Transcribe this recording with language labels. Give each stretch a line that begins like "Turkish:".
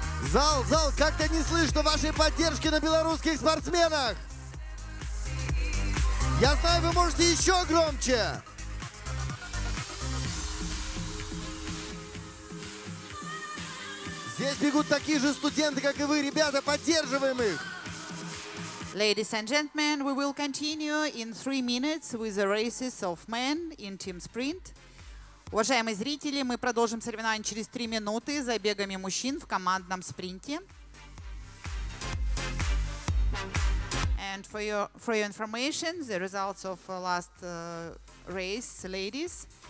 Russian: Зал, зал, как-то не слышно вашей поддержки на белорусских спортсменах. Я знаю, вы можете еще громче. Здесь бегут такие же студенты, как и вы, ребята, поддерживаем их.
English: Ladies and gentlemen, we will continue in 3 minutes with the races of men in team sprint.
Russian: Уважаемые зрители, мы продолжим соревнования через 3 минуты за бегами мужчин в командном спринте.
English: And for your information, the results of last race, ladies.